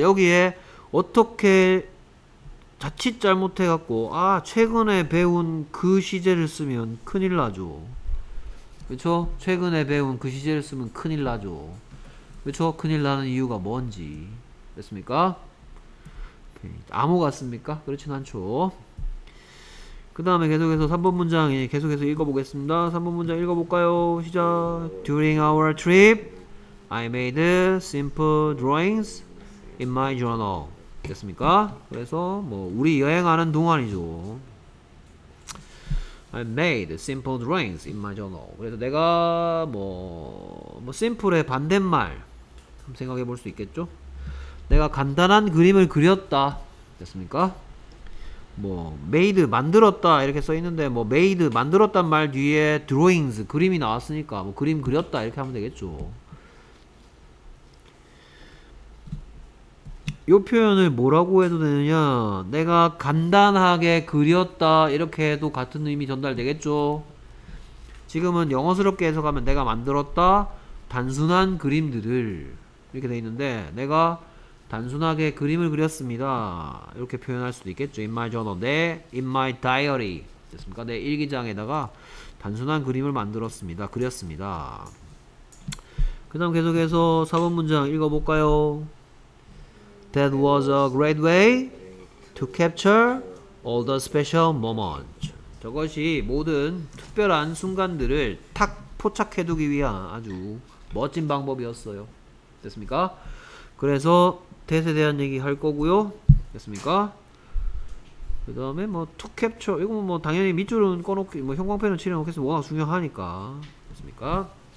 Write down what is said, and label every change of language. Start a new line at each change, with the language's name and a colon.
Korean: 여기에 어떻게 자칫 잘못해갖고, 아, 최근에 배운 그 시제를 쓰면 큰일 나죠. 그쵸? 최근에 배운 그 시제를 쓰면 큰일 나죠. 그쵸? 큰일 나는 이유가 뭔지. 됐습니까? 오케이. 암호 같습니까? 그렇진 않죠. 그 다음에 계속해서 3번 문장 계속해서 읽어보겠습니다. 3번 문장 읽어볼까요? 시작.
English: During our trip, I made simple drawings in my journal.
Korean: 됐습니까? 그래서 뭐 우리 여행하는 동안이죠.
English: I made simple drawings in my journal.
Korean: 그래서 내가 뭐 심플의 반대말 생각해 볼수 있겠죠? 내가 간단한 그림을 그렸다. 됐습니까? 뭐 made 만들었다 이렇게 써 있는데 뭐 made 만들었단 말 뒤에 drawings 그림이 나왔으니까 뭐 그림 그렸다 이렇게 하면 되겠죠. 요 표현을 뭐라고 해도 되느냐? 내가 간단하게 그렸다 이렇게 해도 같은 의미 전달되겠죠. 지금은 영어스럽게 해석하면 내가 만들었다 단순한 그림들을 이렇게 돼 있는데 내가 단순하게 그림을 그렸습니다. 이렇게 표현할 수도 있겠죠.
English: In my journal,
Korean: 내
English: in my diary,
Korean: 됐습니까? 내 일기장에다가 단순한 그림을 만들었습니다. 그렸습니다. 그다음 계속해서 4번 문장 읽어볼까요?
English: That was a great way to capture all the special moments.
Korean: 저것이 모든 특별한 순간들을 탁 포착해두기 위한 아주 멋진 방법이었어요. 됐습니까? 그래서 대세에 대한 얘기 할 거고요. 됐습니까? 그 다음에 뭐
English: to capture
Korean: 이거 뭐 당연히 밑줄은 꺼놓기 뭐 형광펜을 칠해놓겠어 워낙 중요하니까. 됐습니까?